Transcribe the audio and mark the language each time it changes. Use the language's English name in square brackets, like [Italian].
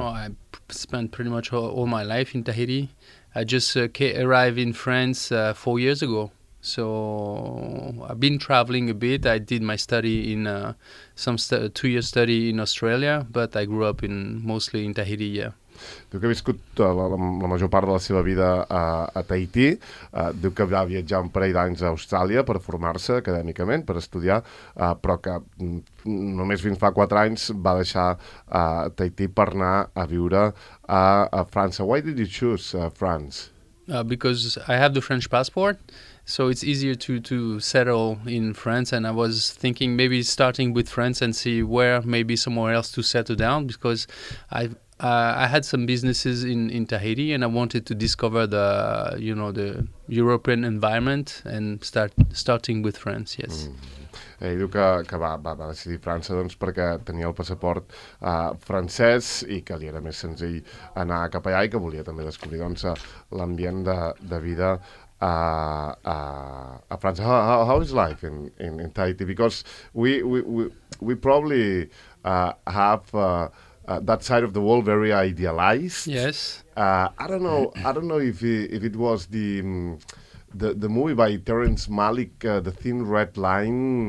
[English] Oh, I spent pretty much all my life in Tahiti. I just arrived in France 4 years ago. So I've been traveling a bit. I did my study in some 2-year study in Australia, but I grew up mostly in Tahiti, yeah. [Catalan] Diu que ha viscut la major part de la seva vida a Tahití. Diu que va viatjar un parell d'anys a Austràlia per formar-se acadèmicament, per estudiar, però que només fins fa 4 anys va deixar Tahití per anar a viure a França. [English] Why did you choose France? Because I have the French passport, so it's easier to settle in France. And I was thinking maybe starting with France and see where maybe somewhere else to settle down, because I had some businesses in Tahiti and I wanted to discover the the European environment and starting with France. Yes. [Catalan] Ell diu que va decidir França doncs perquè tenia el passaport francès i que li era més senzill anar cap allà i que volia també descobrir doncs l'ambient de vida a França. [English] How is life in Tahiti? Because we probably have that side of the world very idealized. Yes. I don't know if it was the movie by Terrence Malick, The Thin Red Line.